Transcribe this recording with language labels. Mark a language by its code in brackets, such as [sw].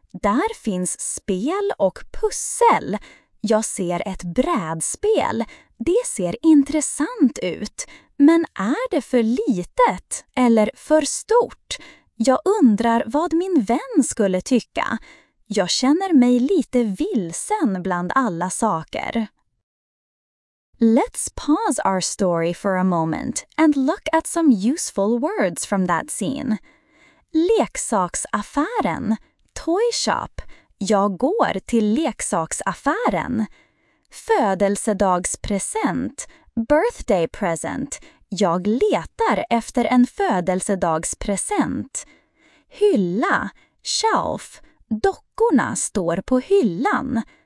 [sv] Där finns spel och pussel. Jag ser ett brädspel. Det ser intressant ut. Men är det för litet eller för stort? Jag undrar vad min vän skulle tycka. Jag känner mig lite vilsen bland alla saker. [en] Let's pause our story for a moment and look at some useful words from that scene. [sv] Leksaksaffären, [en] toy shop. [sv] Jag går till leksaksaffären. Födelsedagspresent, [en] birthday present. [sv] Jag letar efter en födelsedagspresent. Hylla, [en] shelf. [sv] Dockorna står på hyllan.